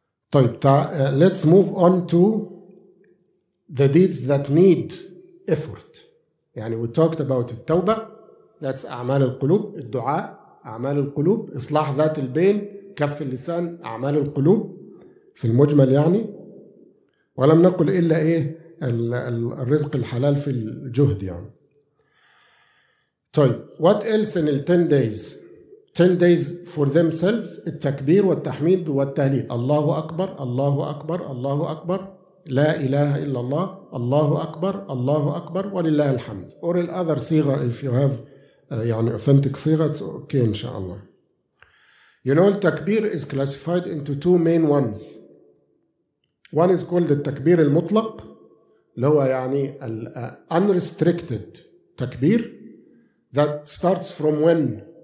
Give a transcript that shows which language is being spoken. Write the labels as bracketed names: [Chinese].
[English] طيب let's move on to the deeds that need effort. [Arabic] يعني [English] we talked about [Arabic] التوبة, that's أعمال القلوب, الدعاء أعمال القلوب, إصلاح ذات البين, كف اللسان أعمال القلوب في المجمل يعني. ولم نقل إلا إيه الرزق الحلال في الجهد يعني. [English] طيب what else in the 10 days? 10 days for themselves, [Arabic] التكبير والتحميد والتهليل. الله أكبر, الله أكبر, الله أكبر, لا إله إلا الله, الله أكبر, الله أكبر, ولله الحمد. [English] Or the other صيغة, if you have يعني authentic صيغة, it's okay إن شاء الله. You know, التكبير is classified into two main ones. One is called التكبير المطلق, اللي هو يعني ال unrestricted تكبير, that starts from when?